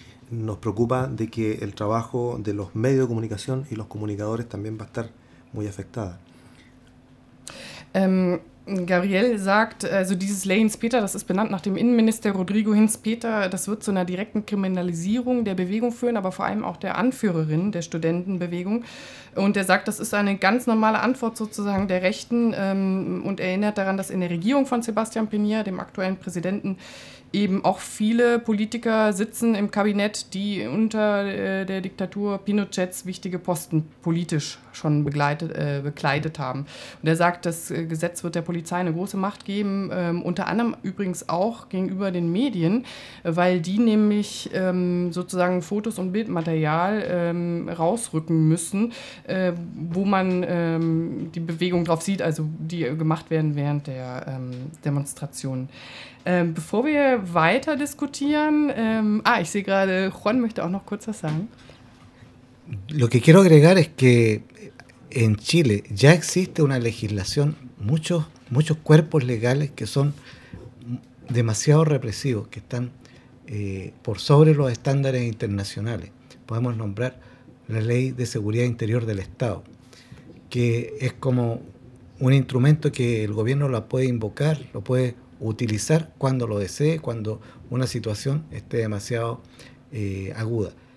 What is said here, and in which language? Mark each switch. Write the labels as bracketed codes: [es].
[es] Nos preocupa de que el trabajo de los medios de comunicación y los comunicadores también va a estar muy afectada. [de] Gabriel sagt, also dieses Ley Hinz-Peter, das ist benannt nach dem Innenminister Rodrigo Hinz-Peter, das wird zu einer direkten Kriminalisierung der Bewegung führen, aber vor allem auch der Anführerin der Studentenbewegung. Und er sagt, das ist eine ganz normale Antwort sozusagen der Rechten und erinnert daran, dass in der Regierung von Sebastián Piñera, dem aktuellen Präsidenten, eben auch viele Politiker sitzen im Kabinett, die unter der Diktatur Pinochets wichtige Posten politisch schon bekleidet haben. Und er sagt, das Gesetz wird der Polizei eine große Macht geben, unter anderem übrigens auch gegenüber den Medien, weil die nämlich sozusagen Fotos und Bildmaterial rausrücken müssen, wo man die Bewegung drauf sieht, also die gemacht werden während der Demonstration. Bevor wir weiter diskutieren, ich sehe gerade, Juan möchte auch noch kurz was sagen. [es] Lo que quiero agregar es que en Chile ya existe una legislación, muchos cuerpos legales que son demasiado represivos, que están por sobre los estándares internacionales. Podemos nombrar la Ley de Seguridad Interior del Estado, que es como un instrumento que el gobierno la puede invocar, lo puede utilizar cuando lo desee, cuando una situación esté demasiado aguda.